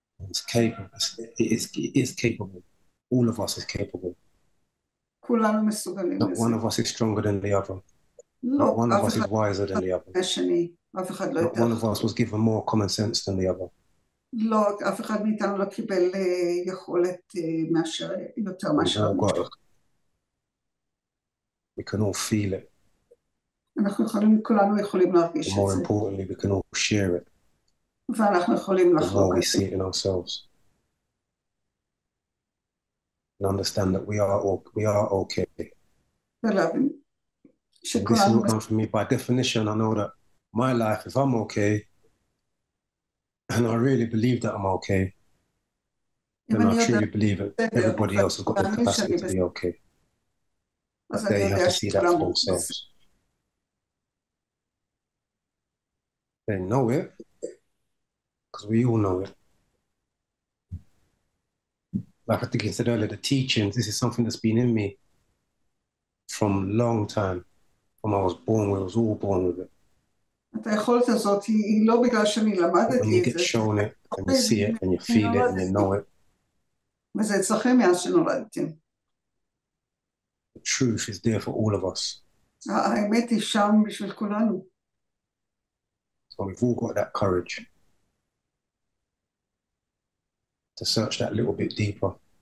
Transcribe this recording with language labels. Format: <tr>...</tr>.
<en>is capable. It is capable. All of us is capable.</en> <he>כולנו מסוגלים.</he> <en>Not one of us is stronger than the other. Not one of us is wiser than the other. Not one of us was given more common sense than the other.</en> <he>לא, אף אחד מאיתנו לא קיבל יכולת מאשר, יותר מאשר.</he> <en>We can all feel it.</en> <he>אנחנו יכולים, כולנו יכולים להרגיש את זה.</he> <en>More importantly, we can all share it.</en> <he>ואנחנו יכולים לחלוק את זה.</he> <en>The more we see it in ourselves. And understand that we are okay.</en> <he>ולהבין, שכולנו...</he> <en>This will come from me. By definition, I know that my life, if I'm okay, and I really believe that I'm okay, then I truly believe it. Everybody else has got the capacity to be okay. But they have to see that for themselves. They know it, because we all know it. Like I think I said earlier, the teachings, this is something that's been in me from a long time, from I was born, I was all born with it.</en> <he>את היכולת הזאת היא לא בגלל שאני למדתי את זה.</he> <en>When you get shown it, and you see it, and you feel it, and you know it.</en> <he>וזה אצלכם מאז שנולדתי.</he> <en>The truth is there for all of us.</en> <he>האמת היא שם בשביל כולנו.</he> <en>So we've all got that courage to search that little bit deeper.</en>